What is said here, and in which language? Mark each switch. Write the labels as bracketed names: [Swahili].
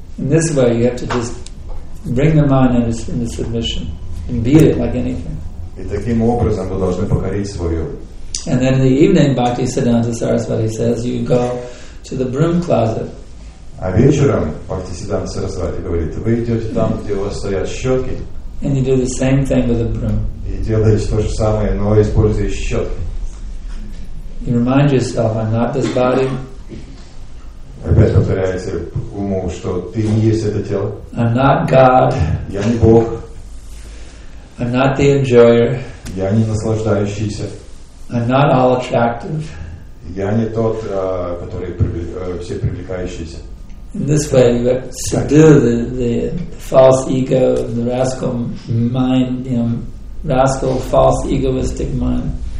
[English] In this way, you have to just bring the mind into submission and beat it like anything. [Russian] И таким образом вы должны покорить свою. [English] And then in the evening, Bhakti Siddhanta Sarasvati says, you go to to the broom closet. [Russian] А вечером Бхактисиддханта Сарасвати говорит, вы идете там, где у вас стоят щетки. [English] And you do the same thing with the broom. [Russian] И делаешь то же самое, но используешь щетки. [English] You remind yourself, I'm not this body. [Russian] Опять повторяется уму, что ты не есть это тело. [English] I'm not God. [Russian] Я не Бог. [English] I'm not the enjoyer. [Russian] Я не наслаждающийся. [English] I'm not all attractive. [Russian] Я не тот, который все привлекающийся. [English] In this way, you have to subdue the false ego, the rascal mind, you know, rascal, false, egoistic mind.